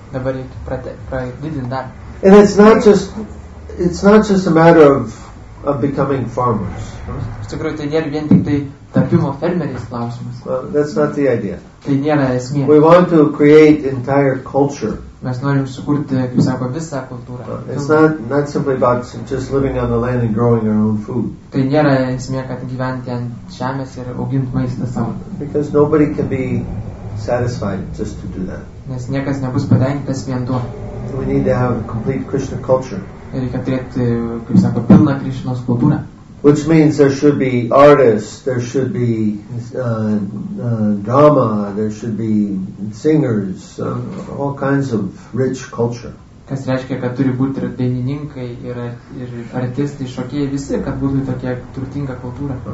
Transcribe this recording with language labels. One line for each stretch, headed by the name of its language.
Lithuanian: Dabar reikia pradėti dar.
English: And it's not just a matter of becoming farmers.
Lithuanian: Iš tikrųjų, tai nėra vien tik tai tapimo fermeriais klausimas.
English: Well, that's not the idea.
Lithuanian: Tai nėra esmė.
English: We want to create entire culture.
Lithuanian: Mes norim sukurti, kaip sako, visą kultūrą.
English: It's not simply about just living on the land and growing our own food.
Lithuanian: Tai nėra esmė, kad gyventi ant žemės ir auginti maistą savo.
English: Because nobody can be satisfied just to do that.
Lithuanian: Nes niekas nebus patenkintas vien tuo.
English: We need to have a complete Krishna culture.
Lithuanian: Reikia turėti, kaip sako, pilną Krishnos kultūrą.
English: Which means there should be artists, there should be drama, there should be singers, all kinds of rich culture.
Lithuanian: Kas reiškia, kad turi būti ir dainininkai, ir artistai, šokėjai, visi, kad būtų tokia turtinga kultūra.